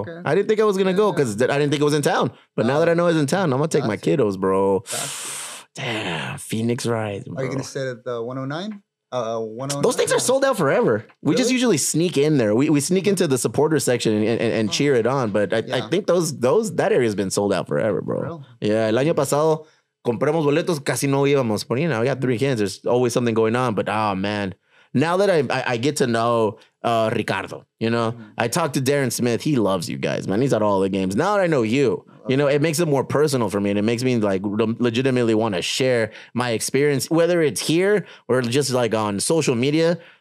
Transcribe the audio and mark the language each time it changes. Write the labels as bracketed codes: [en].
[en] Okay. I didn't think I was going to go because I didn't think it was in town. But now that I know it's in town, I'm going to take my kiddos, bro. Damn. Phoenix Rise, bro. Are you going to sit at the 109? 109? Those things are sold out forever. Really? We just usually sneak in there. We sneak into the supporter section and cheer it on. But I think those that area has been sold out forever, bro. Really? Yeah. [es] El año pasado, compramos boletos, casi no íbamos. [en] But, you know, we got three kids. There's always something going on. But, oh, man. Now that I get to know Ricardo, you know, I talked to Darren Smith. He loves you guys, man. He's at all the games. Now that I know you, you know, it makes it more personal for me. And it makes me like legitimately want to share my experience, whether it's here or just like on social media.